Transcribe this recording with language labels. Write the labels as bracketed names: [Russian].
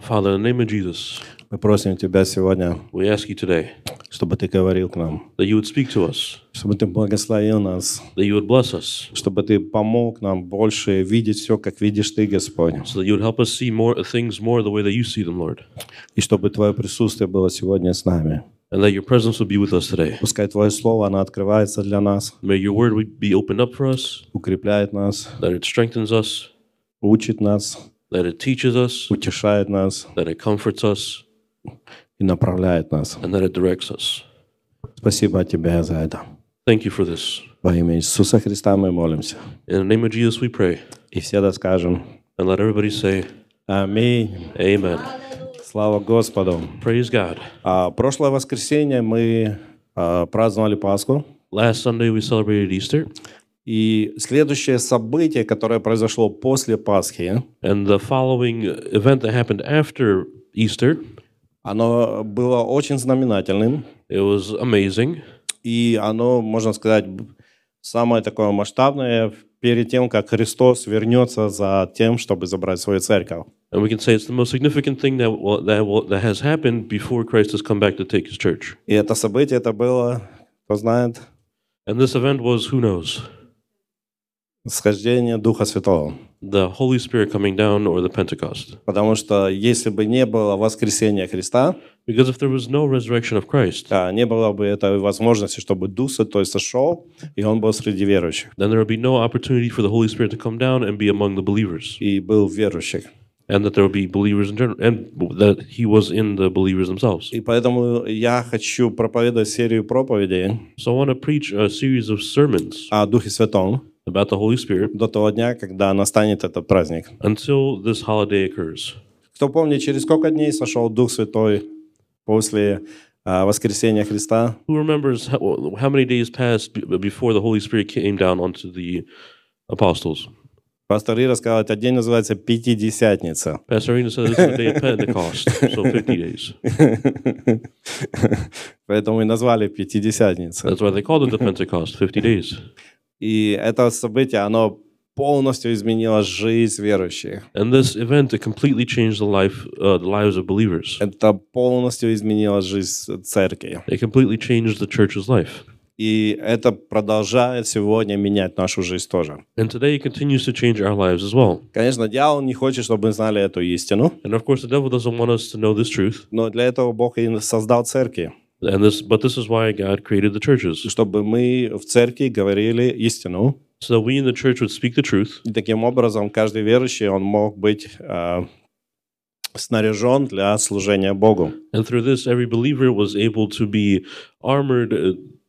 [English] Father, in the name of Jesus. [Russian] Мы просим тебя сегодня. [English] We ask you today. [Russian] Чтобы ты говорил к нам. [English] That you would speak to us. [Russian] Чтобы ты благословил нас. [English] That you would bless us. [Russian] Чтобы ты помог нам больше видеть все, как видишь ты, Господь. [English] So that you would help us see more things more the way that you see them, Lord. [Russian] И чтобы твое присутствие было сегодня с нами. [English] And that your presence would be with us today. [Russian] Пускай твое слово, оно открывается для нас. [English] May your word be opened up for us. [Russian] Укрепляет нас. [English] That it strengthens us. [Russian] Учит нас. [English] That it teaches us. [Russian] Утешает нас. [English] That it comforts us. [Russian] И направляет нас. [English] And that it directs us. [Russian] Спасибо тебе за это. [English] Thank you for this. [Russian] Во имя Иисуса Христа мы молимся. [English] In the name of Jesus we pray. [Russian] И все да скажем. [English] And let everybody say. [Russian] Аминь. [English] Amen. [Russian] Слава Господу. [English] Praise God. [Russian] Прошлое воскресенье мы праздновали Пасху. [English] Last Sunday we celebrated Easter. [Russian] И следующее событие, которое произошло после Пасхи. [English] And the following event that happened after Easter. [Russian] Оно было очень знаменательным. [English] It was amazing. [Russian] И оно, можно сказать, самое такое масштабное перед тем, как Христос вернется за тем, чтобы забрать свою церковь. [English] And we can say it's the most significant thing that has happened before Christ has come back to take his church. [Russian] И это событие, это было, кто знает? [English] And this event was, who knows? [Russian] Схождение Духа Святого. [English] The Holy Spirit coming down or the Pentecost. [Russian] Потому что если бы не было воскресения Христа, [English] because if there was no resurrection of Christ, [Russian] да, не было бы этой возможности, чтобы Дух Святой сошел, и Он был среди верующих. [English] Then there would be no opportunity for the Holy Spirit to come down and be among the believers. [Russian] И был верующих. [English] And that there would be believers in general, and that he was in the believers themselves. [Russian] И поэтому я хочу проповедовать серию проповедей. [English] So I want to preach a series of sermons. [Russian] О Духе Святом. [English] About the Holy Spirit. [Russian] До того дня, когда настанет этот праздник. [English] Until this holiday occurs. [Russian] Кто помнит, через сколько дней сошел Дух Святой после воскресения Христа? [English] Who remembers how many days passed before the Holy Spirit came down onto the apostles? [Russian] Пастор Ира сказал, этот день называется Пятидесятница. [English] Pastor Ira said this is the day of Pentecost, so 50 days. [Russian] Поэтому и назвали Пятидесятница. [English] That's why they called it the Pentecost, 50 days. [Russian] И это событие, оно полностью изменило жизнь верующих. [English] And this event, it completely changed the life, the lives of believers. [Russian] Это полностью изменило жизнь церкви. [English] It completely changed the church's life. [Russian] И это продолжает сегодня менять нашу жизнь тоже. [English] And today it continues to change our lives as well. [Russian] Конечно, дьявол не хочет, чтобы мы знали эту истину. [English] And of course, the devil doesn't want us to know this truth. [Russian] Но для этого Бог и создал церкви. [English] And this, but this is why God created the churches. [Russian] Чтобы мы в церкви говорили истину. [English] So that we in the church would speak the truth. [Russian] И таким образом каждый верующий он мог быть снаряжен для служения Богу. [English] And through this, every believer was able to be armored.